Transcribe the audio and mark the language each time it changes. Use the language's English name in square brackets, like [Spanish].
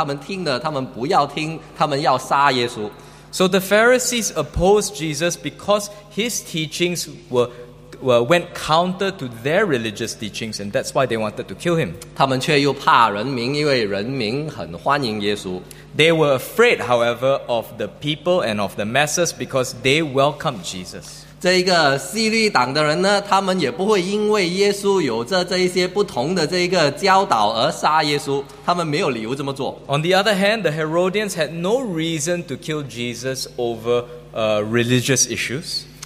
[Chinese] 所以法利赛人要杀耶稣，是因为耶稣所的教训是针对他们这种是可以所谓宗教的教训。所以这个法利赛人他们听了，他们不要听，他们要杀耶稣。 [English] So the Pharisees opposed Jesus because his teachings went counter to their religious teachings, and that's why they wanted to kill him. [Chinese] 他们却又怕人民，因为人民很欢迎耶稣。 [English] They were afraid, however, of the people and of the masses because they welcomed Jesus. [Chinese] 这一个希律党的人呢，他们也不会因为耶稣有着这一些不同的这一个教导而杀耶稣，他们没有理由这么做。 [English] On the other hand, the Herodians had no reason to kill Jesus over religious issues.